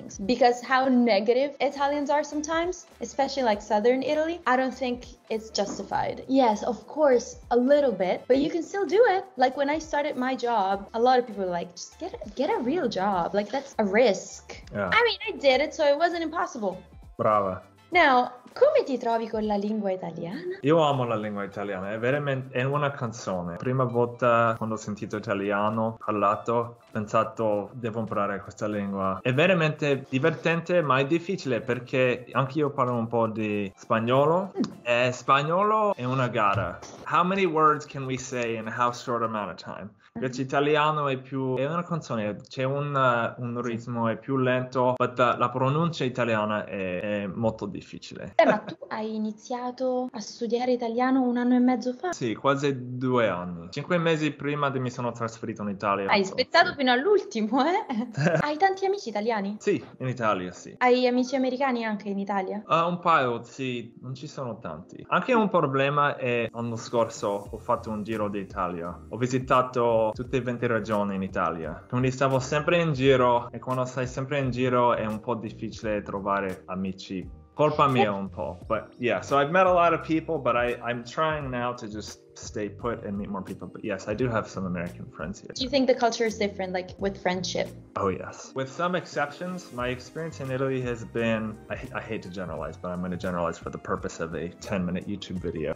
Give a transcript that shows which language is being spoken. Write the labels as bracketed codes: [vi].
[en] because how negative Italians are sometimes, especially like southern Italy, I don't think it's justified. Yes, of course, a little bit, but you can still do it. Like when I started my job, a lot of people were like, just get a real job, like that's a risk. Yeah. I mean, I did it, so it wasn't impossible. [it] Brava. Now, come ti trovi con la lingua italiana? Io amo la lingua italiana, è veramente, è una canzone. Prima volta quando ho sentito italiano parlato, ho pensato, devo imparare questa lingua. È veramente divertente, ma è difficile perché anche io parlo un po' di spagnolo. E spagnolo è una gara. [en] How many words can we say in how short amount of time? [it] Invece italiano è più, è una canzone, c'è un ritmo, è più lento, but la pronuncia italiana è molto difficile. Ma tu hai iniziato a studiare italiano un anno e mezzo fa? Sì, quasi 2 anni. 5 mesi prima che mi sono trasferito in Italia. Hai aspettato fino all'ultimo, eh? Hai tanti amici italiani? Sì, in Italia, sì. Hai amici americani anche in Italia? Un paio, sì, non ci sono tanti. Anche un problema è, l'anno scorso ho fatto un giro d'Italia. Ho visitato tutte e 20 regioni in Italia. Quindi stavo sempre in giro e quando stai sempre in giro è un po' difficile trovare amici. Colpa mia un po', [en] but yeah, so I've met a lot of people, but I'm trying now to just stay put and meet more people. But yes, I do have some American friends here. Do you think the culture is different, like with friendship? Oh yes. With some exceptions, my experience in Italy has been, I hate to generalize, but I'm going to generalize for the purpose of a 10-minute YouTube video.